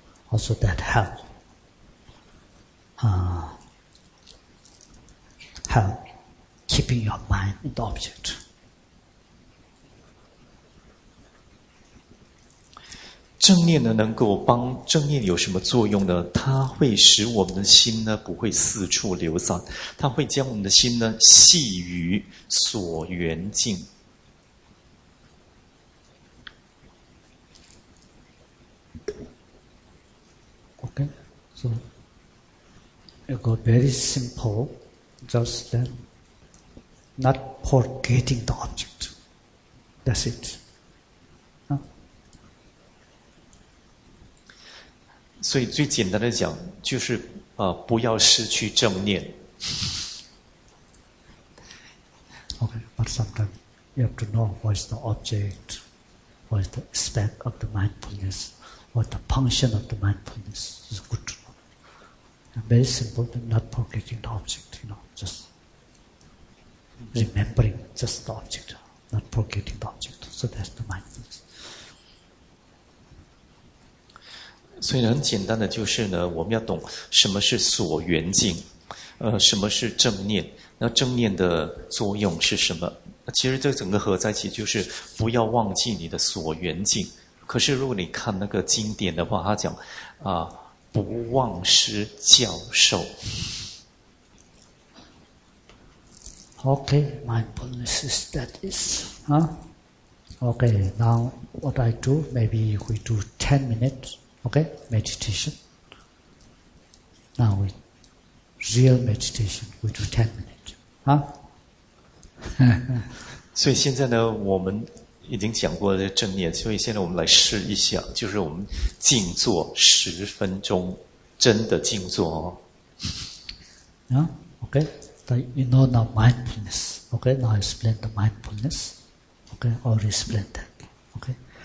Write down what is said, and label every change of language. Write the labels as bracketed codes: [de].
[en] Also that help keeping your mind in the object. [zh] 正念呢能够帮，正念有什么作用呢？它会使我们的心呢不会四处流散，它会将我们的心呢系于所缘境。 [en] So, it goes very simple, just then, not forgetting the object. That's it. Huh? [zh] 所以最简单的讲，就是不要失去正念。 [en] Okay, but sometimes you have to know what is the object, what is the aspect of the mindfulness, what the function of the mindfulness is good to know. Very simple, than not forgetting the object, you know, just remembering just the object, not forgetting the object. So that's the mindfulness. [zh] 所以很简单的就是呢，我们要懂什么是所缘境，什么是正念，那正念的作用是什么？其实这整个合在一起就是不要忘记你的所缘境。可是如果你看那个经典的话，他讲不忘失教授。 [en] Okay, mindfulness is that is, huh? Okay, now what I do, maybe we do 10 minutes, okay, meditation. Now we, real meditation, we do 10 minutes. Huh? [zh] 所以现在呢，我们已经讲过了正念，所以现在我们来试一下，就是我们静坐十分钟，真的静坐哦。 [en] Yeah, okay, the, you know now mindfulness, okay, now I explain the mindfulness, okay, or explain that, okay.